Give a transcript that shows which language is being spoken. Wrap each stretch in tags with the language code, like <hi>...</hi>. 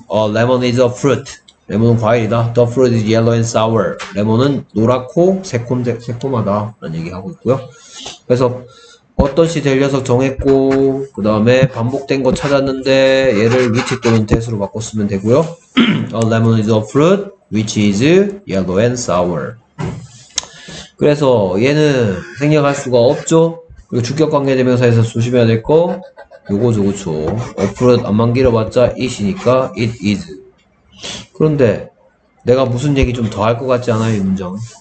<en>Lemon is a fruit.</en> <ko>레몬은 과일이다.</ko> <en>The fruit is yellow and sour.</en> <ko>레몬은 노랗고 새콤하다라는 얘기하고 있고요. 그래서 어떤 시 되려서 정했고, 그 다음에 반복된 거 찾았는데 얘를 which 또는 that으로 바꿨으면 되고요.</ko> <en>A lemon is a fruit which is yellow and sour.</en> <ko>그래서 얘는 생략할 수가 없죠. 그리고 주격 관계대명사에서 조심해야 될거 요거 요거죠. A fruit 안만 길어봤자 it이니까 it is. 그런데 내가 무슨 얘기 좀더할것 같지 않아요, 이 문장?</ko>